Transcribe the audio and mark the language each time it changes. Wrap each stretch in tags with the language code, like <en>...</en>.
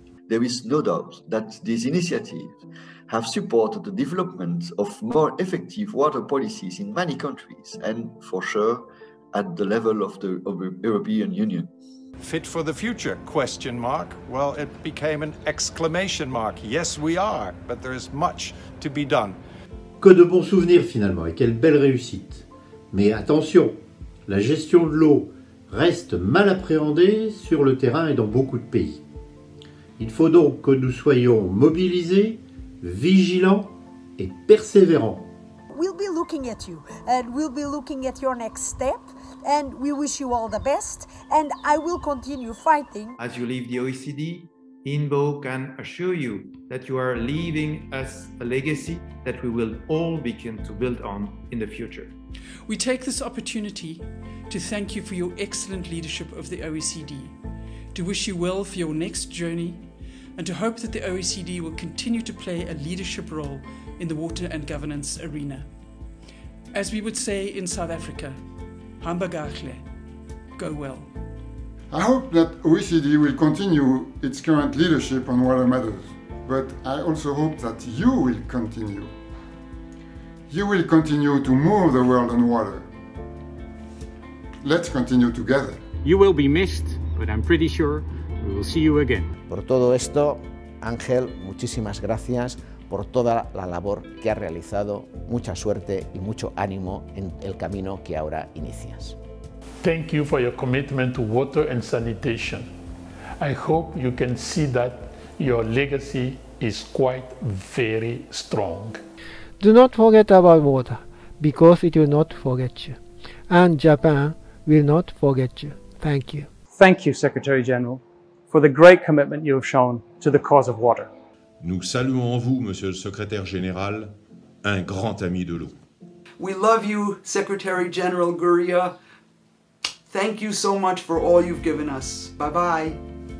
<en>There is no doubt that these initiatives have supported the development of more effective water policies in many countries, and for sure at the level of the European Union. Fit for the future, question mark. Well, it became an exclamation mark. Yes, we are, but there is much to be done.</en> <fr>Que de bons souvenirs finalement, et quelle belle réussite. Mais attention, la gestion de l'eau reste mal appréhendée sur le terrain et dans beaucoup de pays. Il faut donc que nous soyons mobilisés, vigilants et persévérants.</fr> <en>We'll be looking at you, and we'll be looking at your next step, and we wish you all the best, and I will continue fighting. As you leave the OECD, INBO can assure you that you are leaving us a legacy that we will all begin to build on in the future. We take this opportunity to thank you for your excellent leadership of the OECD, to wish you well for your next journey, and to hope that the OECD will continue to play a leadership role in the water and governance arena. As we would say in South Africa,</en> <zu>Hamba Gahle,</zu> <en>go well. I hope that OECD will continue its current leadership on water matters, but I also hope that you will continue. You will continue to move the world on water. Let's continue together. You will be missed, but I'm pretty sure we will see you again.</en> <es>Por todo esto, Ángel, muchísimas gracias por toda la labor que has realizado. Mucha suerte y mucho ánimo en el camino que ahora inicias.</es> <en>Thank you for your commitment to water and sanitation. I hope you can see that your legacy is quite very strong. Do not forget about water, because it will not forget you. And Japan will not forget you. Thank you. Thank you, Secretary General, for the great commitment you have shown to the cause of water.</en> <fr>Nous saluons vous, Monsieur le Secrétaire Général, un grand ami de l'eau.</fr> <en>We love you, Secretary General Gurría. Thank you so much for all you've given us. Bye-bye.</en>